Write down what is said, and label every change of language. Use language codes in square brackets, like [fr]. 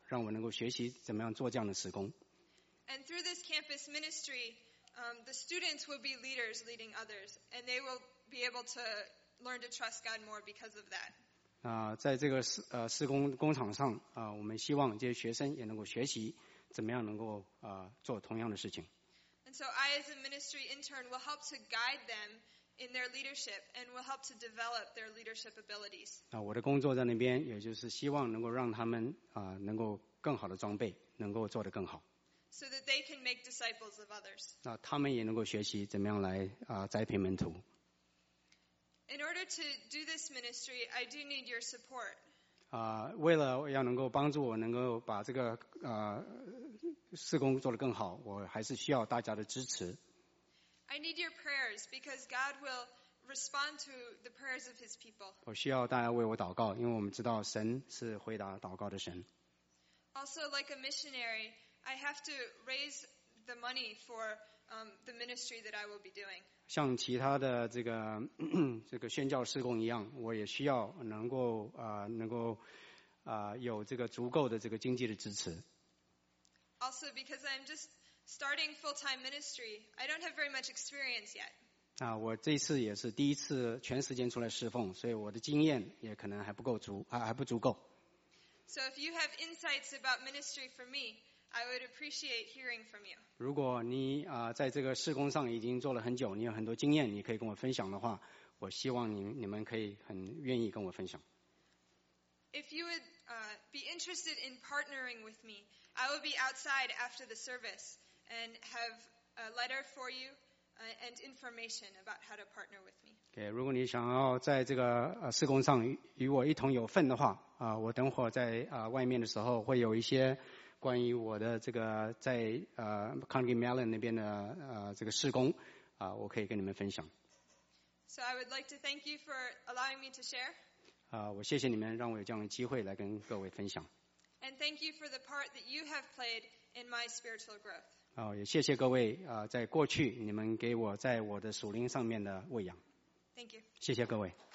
[zh] 让我能够学习怎么样做这样的事工。 [en] And through this campus ministry, the students will be leaders leading others, and they will be able to learn to trust God more because of that. [zh] 在这个施工工厂上，我们希望这些学生也能够学习怎么样能够做同样的事情。 [en] And so I, as a ministry intern, will help to guide them in their leadership and will help to develop their leadership abilities. [zh] 啊，我的工作在那边，也就是希望能够让他们啊，能够更好的装备，能够做得更好。 [en] So that they can make disciples of others. [zh] 啊，他们也能够学习怎么样来啊栽培门徒。 [en] In order to do this ministry, I do need your support. [zh] 啊，为了要能够帮助我，能够把这个啊事工做得更好，我还是需要大家的支持。 [en] I need your prayers because God will respond to the prayers of His people. [zh] 我需要大家为我祷告，因为我们知道神是回答祷告的神。 [en] Also, like a missionary, I have to raise the money for the ministry that I will be doing. [zh] 像其他的这个这个宣教事工一样，我也需要能够能够有这个足够的这个经济的支持。 [en] Also, because I'm just starting full-time ministry, I don't have very much experience yet. [zh] 啊，我这次也是第一次全时间出来侍奉，所以我的经验也可能还不够足，还不足够。 [en] So if you have insights about ministry for me, I would appreciate hearing from you. [zh] 如果你啊在这个事工上已经做了很久，你有很多经验，你可以跟我分享的话，我希望你们可以很愿意跟我分享。 [en] If you would be interested in partnering with me, I will be outside after the service and have a letter for you and information about how to partner with me. [zh] Okay, 如果你想要在这个事工上与我一同有份的话，我等会在外面的时候会有一些关于我的这个在Carnegie Mellon 那边的这个事工，我可以跟你们分享。 [en] So I would like to thank you for allowing me to share. [zh] 我谢谢你们让我有这样的机会来跟各位分享。 [en] And thank you for the part that you have played in my spiritual growth. [zh] 也谢谢各位在过去你们给我在我的属灵上面的喂养。 [en] Thank you. [zh] 谢谢各位。